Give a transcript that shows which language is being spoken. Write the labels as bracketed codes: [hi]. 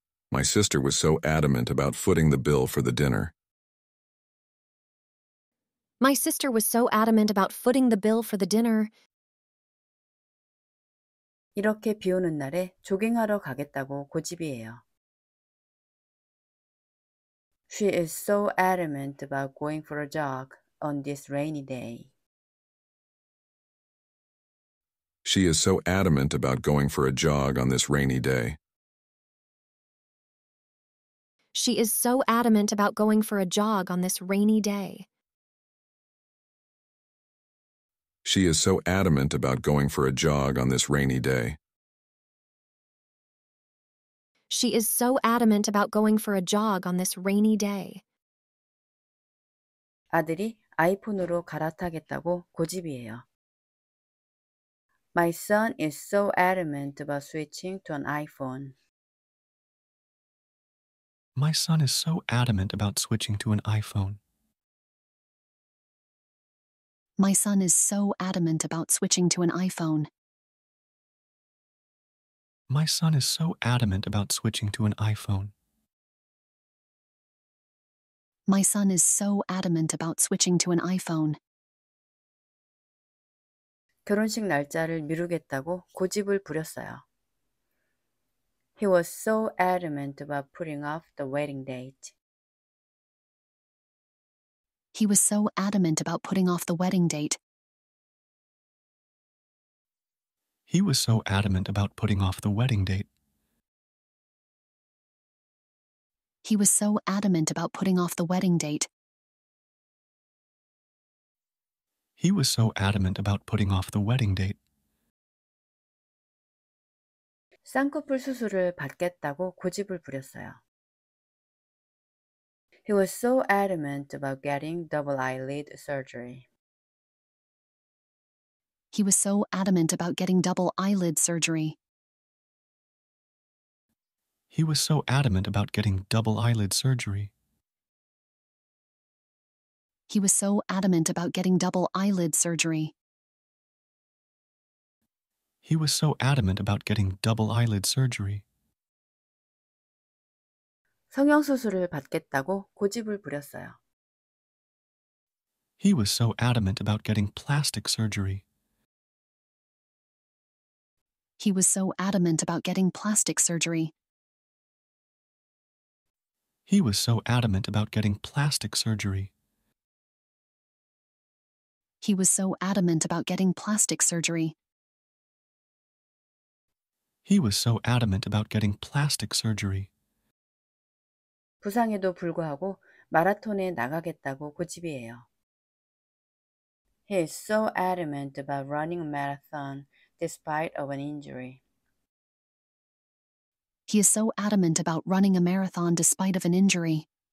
[en] My sister was so adamant about footing the bill for the dinner. My sister was so adamant about footing the bill for the dinner. [ko] 이렇게 비 오는 날에 조깅하러 가겠다고 고집이에요. [en] She is so adamant about going for a jog on this rainy day. She is so adamant about going for a jog on this rainy day. She is so adamant about going for a jog on this rainy day. She is so adamant about going for a jog on this rainy day. She is so adamant about going for a jog on this rainy day. [ko] 아들이 아이폰으로 갈아타겠다고 고집이에요. [en] My son is so adamant about switching to an iPhone. My son is so adamant about switching to an iPhone. My son is so adamant about switching to an iPhone. My son is so adamant about switching to an iPhone. My son is so adamant about switching to an iPhone. [ko] 결혼식 날짜를 미루겠다고 고집을 부렸어요. [en] He was so adamant about putting off the wedding date. He was so adamant about putting off the wedding date. He was so adamant about putting off the wedding date. He was so adamant about putting off the wedding date. He was so adamant about putting off the wedding date. [ko] 쌍꺼풀 수술을 받겠다고 고집을 부렸어요. [en] He was so adamant about getting double eyelid surgery. He was so adamant about getting double eyelid surgery. He was so adamant about getting double eyelid surgery. He was so adamant about getting double eyelid surgery. He was so adamant about getting double eyelid surgery. [ko] 성형수술을 받겠다고 고집을 부렸어요. [en] He was so adamant about getting plastic surgery. He was so adamant about getting plastic surgery. He was so adamant about getting plastic surgery. He was so adamant about getting plastic surgery. He was so adamant about getting plastic surgery. [ko] 부상에도 불구하고 마라톤에 나가겠다고 고집이에요. [en] He is so adamant about running a marathon despite of an injury. He is so adamant about running a marathon despite of an injury.